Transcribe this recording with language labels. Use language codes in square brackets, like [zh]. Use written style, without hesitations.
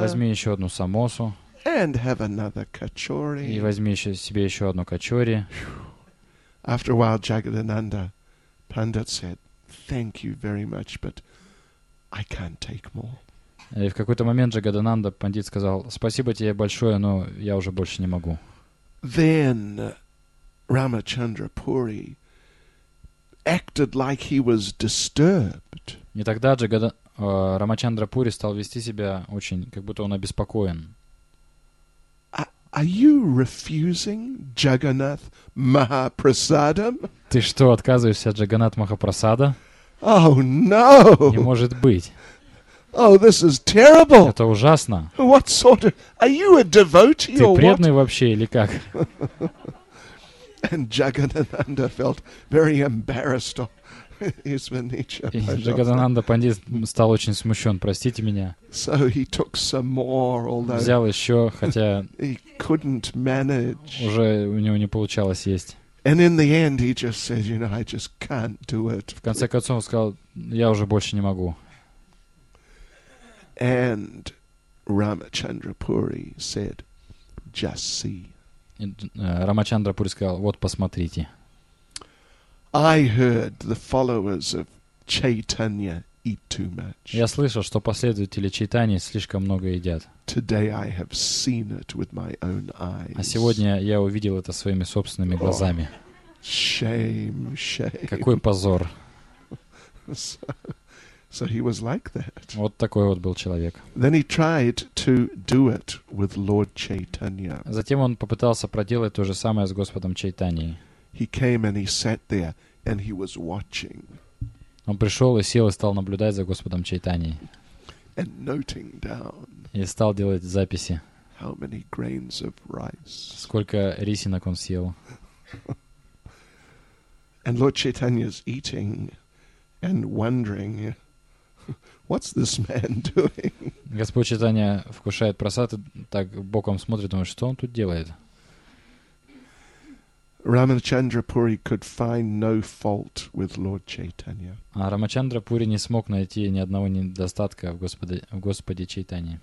[ru] Возьми еще одну самосу. [en] And have another kachori. [ru] И возьми еще себе еще одну качори. [en] After a while, Jagadananda Pandit said, "Thank you very much, but I can't take more." [ru] И в какой-то момент Джагадананда Пандит сказал: "Спасибо тебе большое, но я уже больше не могу." [en] Then Ramachandra Puri acted like he was disturbed. [ru] И тогда Рамачандра Пури стал вести себя очень, как будто он обеспокоен. [en] Are you refusing Jagannath Mahaprasadam? [ru] Ты что, отказываешься от Джаганат Махапрасада? [en] Oh no! [ru] Не может быть. [en] Oh, this is terrible! [ru] Это ужасно. [en] What sort of? Are you a devotee? [ru] Ты преданный вообще или как? [en] And Jagannanda felt very embarrassed. [ru] Джагадананда Пандит стал очень смущен, простите меня. [en] So he took some more, although [ru] взял еще, хотя [en] he couldn't manage. [ru] Уже у него не получалось есть. [en] And in the end he just said, you know, I just can't do it. [ru] В конце концов он сказал, я уже больше не могу. [en] And Ramachandra Puri said, just see. [ru] Рамачандра Пури сказал, вот посмотрите. [en] I heard the followers of Chaitanya eat too much. [ru] Я слышал, что последователи Чайтаньи слишком много едят. [en] Today I have seen it with my own eyes. [ru] А сегодня я увидел это своими собственными глазами. [en] Shame, shame. [ru] Какой позор. [en] So he was like that. [ru] Вот такой вот был человек. [en] Then he tried to do it with Lord Chaitanya. [ru] Затем он попытался проделать то же самое с Господом Чайтаньей. [en] He came and he sat there and he was watching. [ru] Он пришел и сел и стал наблюдать за Господом Чайтаньей. [en] And noting down. [ru] И стал делать записи. [en] How many grains of rice? [ru] Сколько рисинок он съел? [en] And Lord Chaitanya's eating and wondering, what's this man doing? [ru] Господь Чайтанья вкушает просад и так боком смотрит, думает, что он тут делает? [en] Ramachandra Puri could find no fault with Lord Chaitanya. [ru] А Рамачандра Пури не смог найти ни одного недостатка в Господе Чайтанье.